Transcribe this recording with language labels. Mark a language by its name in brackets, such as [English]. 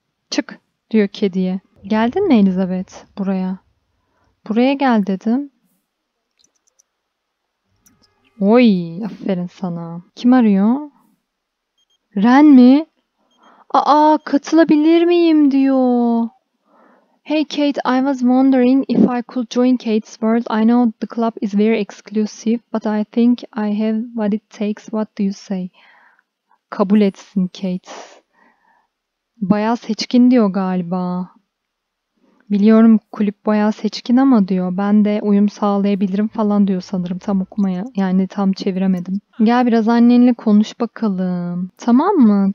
[Turkish] Çık diyor kediye. Geldin mi Elizabeth buraya? Buraya gel dedim. Oy, aferin sana. Kim arıyor? Ren mi? Aa, katılabilir miyim diyor. [English] Hey Kate, I was wondering if I could join Kate's world. I know the club is very exclusive, but I think I have what it takes. What do you say? [Turkish] Kabul etsin Kate. Bayağı seçkin diyor galiba. Biliyorum kulüp bayağı seçkin ama diyor ben de uyum sağlayabilirim falan diyor sanırım tam okumaya yani tam çeviremedim. Gel biraz annenle konuş bakalım. Tamam mı?